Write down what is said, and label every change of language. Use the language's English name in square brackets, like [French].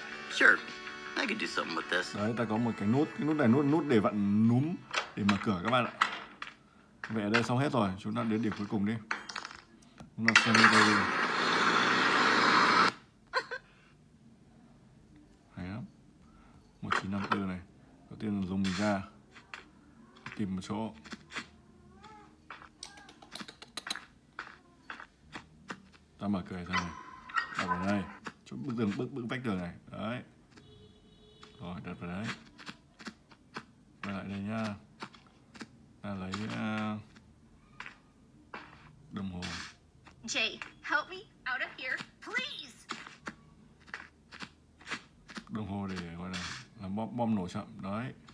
[English] Sure, I could do something with this. [Vietnamese] Đấy, ta có một cái nút này nút để vặn núm để mở cửa các bạn ạ. Vậy ở đây xong hết rồi, chúng ta đến điểm cuối cùng đi. Chúng ta xem đây đi. Hay lắm. 1954 này. Đầu tiên là dùng mình ra. Tìm một chỗ. Ta mở cửa ra này. Đặt vào đây. Chỗ bức tường, bức vách tường này. Đấy. Rồi, đặt vào đấy. Quay lại đây nhá. Ta lấy đồng hồ. [English] Jay, help me out of here, please. [Vietnamese] Đồng hồ để gọi là làm bom nổ chậm. Đấy.